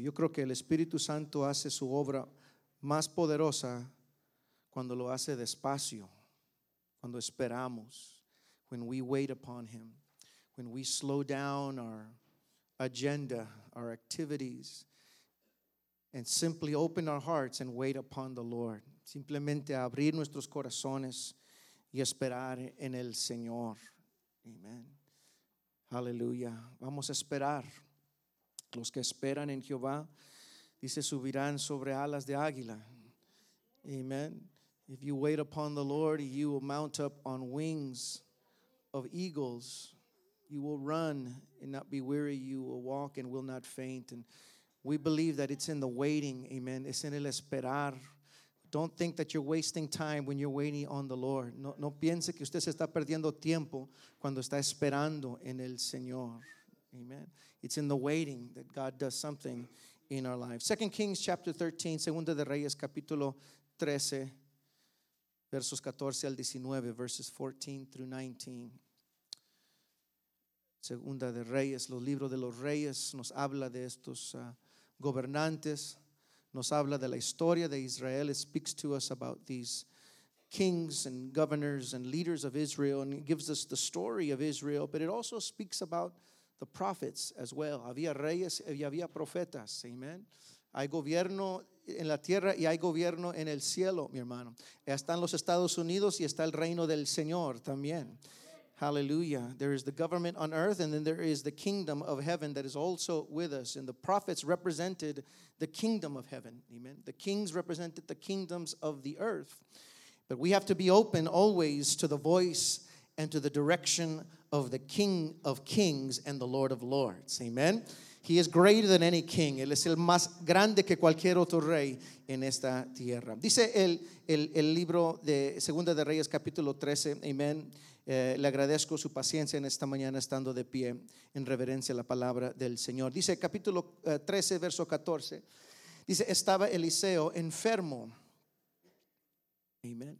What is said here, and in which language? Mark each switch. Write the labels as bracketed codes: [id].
[es] Yo creo que el Espíritu Santo hace su obra más poderosa cuando lo hace despacio, cuando esperamos. [en] When we wait upon Him, when we slow down our agenda, our activities, and simply open our hearts and wait upon the Lord. [es] Simplemente abrir nuestros corazones y esperar en el Señor. Amen. Hallelujah. Vamos a esperar. Los que esperan en Jehová, dice, subirán sobre alas de águila. Amen. [en] If you wait upon the Lord, you will mount up on wings of eagles. You will run and not be weary. You will walk and will not faint. And we believe that it's in the waiting. Amen. [es] Es en el esperar. [en] Don't think that you're wasting time when you're waiting on the Lord. [es] No piense que usted se está perdiendo tiempo cuando está esperando en el Señor. Amen. [en] It's in the waiting that God does something in our lives. 2 Kings chapter 13, [es] Segunda de Reyes capítulo 13, versos 14 al 19, [en] verses 14 through 19. [es] Segunda de Reyes, los libros de los reyes, nos habla de estos gobernantes, nos habla de la historia de Israel. [en] It speaks to us about these kings and governors and leaders of Israel, and it gives us the story of Israel, but it also speaks about the prophets as well. [es] Había reyes y había profetas, amen. Hay gobierno en la tierra y hay gobierno en el cielo, mi hermano. Están los Estados Unidos y está el reino del Señor también. Hallelujah. [en] There is the government on earth and then there is the kingdom of heaven that is also with us. And the prophets represented the kingdom of heaven. Amen. The kings represented the kingdoms of the earth. But we have to be open always to the voice and to the direction of the King of Kings and the Lord of Lords. Amen. He is greater than any king. [es] Él es el más grande que cualquier otro rey en esta tierra. Dice el libro de Segunda de Reyes, capítulo 13. Amén. Le agradezco su paciencia en esta mañana estando de pie en reverencia a la palabra del Señor. Dice capítulo 13, verso 14. Dice, estaba Eliseo enfermo. Amén.